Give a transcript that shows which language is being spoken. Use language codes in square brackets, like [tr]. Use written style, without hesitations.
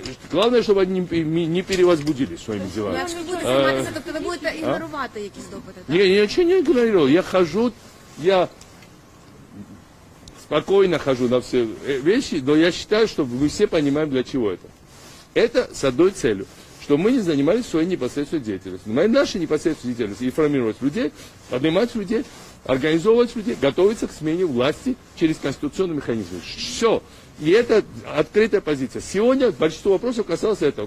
[ru] Главное, чтобы они не перевозбудились своими делами. Я не буду заниматься, [uk] тобто ви будете ігнорувати якісь допити. Ні, нічого не ігнорував. Я хожу, я спокійно хожу на всі речі, але я вважаю, що ви всі розумієте, для чого це. [ru] Это с одной целью, чтобы мы не занимались своей непосредственной деятельностью. Мы наши непосредственные деятельности и формировать людей, поднимать людей, организовывать людей, готовиться к смене власти через конституционный механизм. Все. И это открытая позиция. Сегодня большинство вопросов касалось этого.